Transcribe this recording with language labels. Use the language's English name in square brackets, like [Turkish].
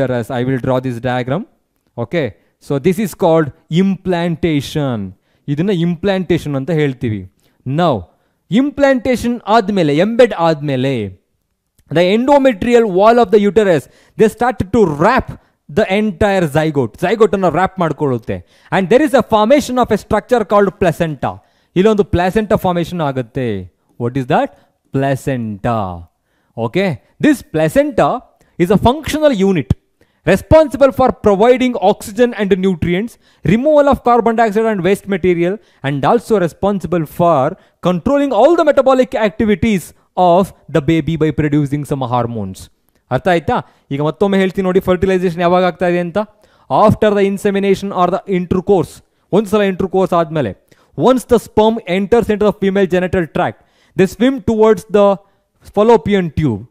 [English] I will draw this diagram. Okay. So this is called implantation. [Kannada] ಇದನ್ನ implantation ಅಂತ ಹೇಳ್ತೀವಿ. [English] now [Kannada] implantation ಆದ್ಮೇಲೆ, embed ಆದ್ಮೇಲೆ, [English] The endometrial wall of the uterus they start to wrap the entire zygote. [Kannada] Zygote ಅನ್ನು rap ಮಾಡ್ಕೊಳ್ಳುತ್ತೆ. [English] And there is a formation of a structure called placenta. [Kannada] ಇಲ್ಲೊಂದು placenta formation ಆಗುತ್ತೆ. [English] What is that? [Kannada] Placenta. [English] Okay, this placenta is a functional unit responsible for providing oxygen and nutrients, removal of carbon dioxide and waste material, and also responsible for controlling all the metabolic activities of the baby by producing some hormones. [Kannada] ಅರ್ಥ ಆಯ್ತಾ? ಈಗ ಮತ್ತೊಮ್ಮೆ ಹೇಳ್ತೀನಿ ನೋಡಿ, fertilisation ಯಾವಾಗ ಆಗ್ತಾ ಇದೆ ಅಂತ? [English] After the insemination or the intercourse. [Kannada] ಒಂದು ಸಲ ಇಂಟರ್ ಕೋರ್ಸ್ ಆದ್ಮೇಲೆ, [English] Once the sperm enters into the female genital tract, the swim towards the Fallopian tube.